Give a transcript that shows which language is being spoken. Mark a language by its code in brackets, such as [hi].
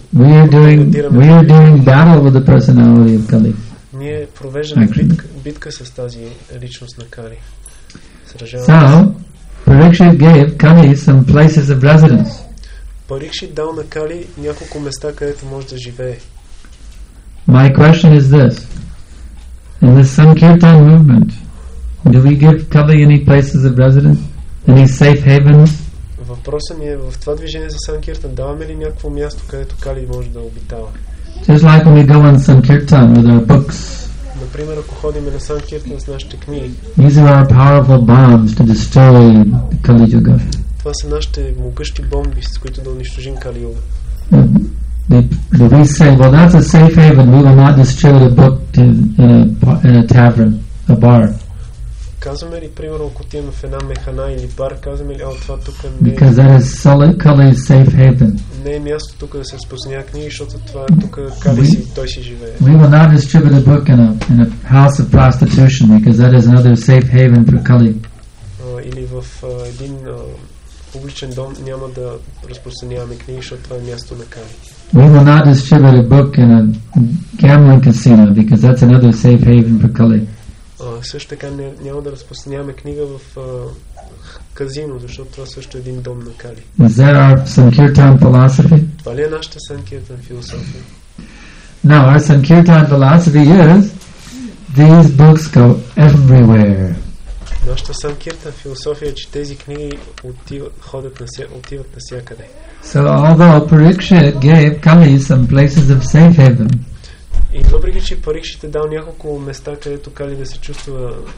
[en] We are doing battle with the personality of Kali. [bg] Ние провеждаме битка с тази личност на Кали. [en] Parikshit gave Kali some places of residence. [bg] Parikshit дал на Кали няколко места, където може да живее. [en] My question is this. In the Sankirtan movement, do we give Kali any places of residence? Any safe havens? [bg] Въпросът ми е в това движение за Санкиртан, даваме ли някакво място, където Кали може да обитава? [en] Just like when we go on Sankirtan with our books. [bg] Например, ако ходим на Санкиртан с нашите книги. [en] These are our powerful bombs to destroy Kali Yuga. [bg] Това са нашите могъщи бомби, с които да унищожим Кали Юга. [en] Do we say, well, that's a safe haven. We will not destroy the book in a tavern, a bar. [bg] Казваме ли, примерно, ако отидем в една механа или бар, казваме ли, това тук не е... [en] Because that is solid Kali's safe haven. [bg] Не е място тук да се разпознава книги, защото това е тук Кали си, той си живее. [en] We will not distribute a book in a house of prostitution, because that is another safe haven for Kali. [bg] Или в един публичен дом няма да разпространяваме книги, защото това е място на Кали. [en] We will not distribute a book in a gambling casino, because that's another safe haven for Kali. [bg] Също така няма да разпространяваме книга в казино, защото това също е един дом на Кали. [en] Is that our Sankirtan philosophy? [bg] Това ли е нашата Sankirtan философия? [en] No, our Sankirtan philosophy is these books go everywhere. [bg] Нашата Sankirtan философия е, че тези книги отиват навсякъде. [en] So although Parikshit gave Kali some places of safe haven, [bg] и въпреки че Парикшит е дал няколко места, където Кали да се чувства